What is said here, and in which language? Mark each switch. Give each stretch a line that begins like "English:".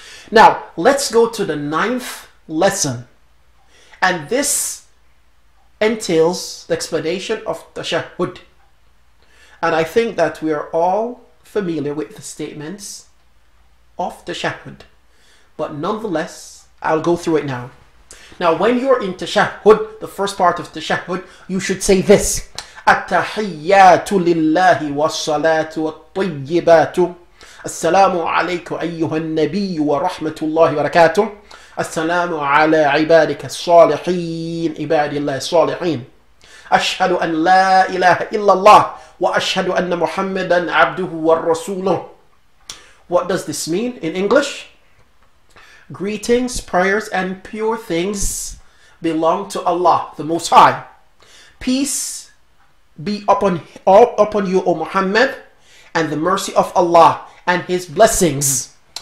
English: Now let's go to the ninth lesson, and this entails the explanation of tashahud. And I think that we are all familiar with the statements of tashahud, but nonetheless I'll go through it now. Now when you're in tashahud, the first part of tashahud, you should say this:
Arabic: التحيات لله والصلاة والطيبات السلام عليك أيها النبي ورحمة الله وبركاته السلام على عبادك الصالحين عباد الله الصالحين أشهد أن لا إله إلا الله وأشهد أن محمدا عبده ورسوله.
English: What does this mean in English? Greetings, prayers, and pure things belong to Allah, the Most High. Peace be upon you, O Muhammad, and the mercy of Allah and His blessings.